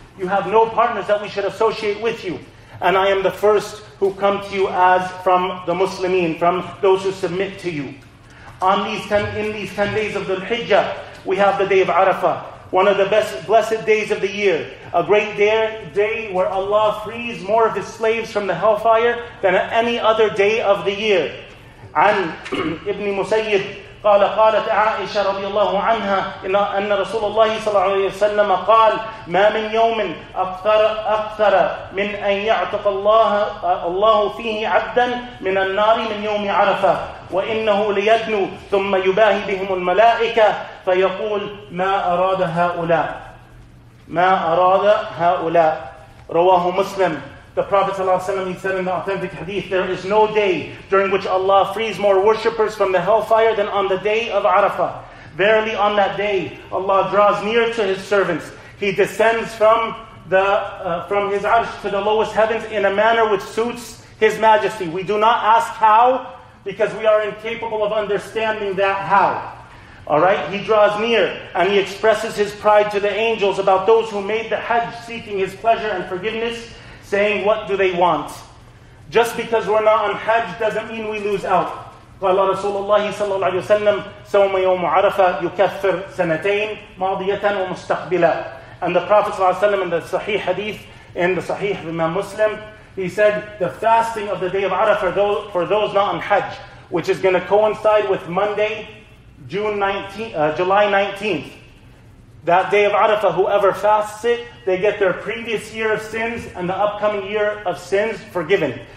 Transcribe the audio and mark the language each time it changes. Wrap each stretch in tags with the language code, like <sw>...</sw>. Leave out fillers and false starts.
<en>You have no partners that we should associate with you. And I am the first who come to you as from the Muslimin, from those who submit to you. In these 10 days of Dhul-Hijjah, we have the day of Arafah, one of the best blessed days of the year, a great day where Allah frees more of His slaves from the hellfire than at any other day of the year.</en> <ar>عن ابن مسيد قال قالت عائشة رضي الله عنها أن رسول الله صلى الله عليه وسلم قال ما من يوم أكثر من أن يعتق الله فيه عبدا من النار من يوم عرفة وإنه ليدنو ثم يباهي بهم الملائكة فيقول ما أراد هؤلاء ما أراد هؤلاء رواه مسلم.</ar> <en>The Prophet ﷺ, he said in the authentic hadith, there is no day during which Allah frees more worshippers from the hellfire than on the day of Arafah. Verily on that day, Allah draws near to His servants. He descends from His arsh to the lowest heavens in a manner which suits His majesty. We do not ask how, because we are incapable of understanding that how. All right, he draws near and he expresses his pride to the angels about those who made the Hajj seeking his pleasure and forgiveness, saying, what do they want? Just because we're not on Hajj doesn't mean we lose out.</en> <ar>قال رسول الله صلى الله عليه وسلم صوم يوم عرفة يكفر سنتين ماضية ومستقبلة.</ar> <en>And the Prophet</en> <ar>صلى الله عليه وسلم</ar> <en>in the Sahih Hadith, in the Sahih of Imam Muslim, he said, the fasting of the day of Arafah for those not on Hajj, which is going to coincide with Monday, July 19th. That day of Arafah, whoever fasts it, they get their previous year of sins and the upcoming year of sins forgiven.</en>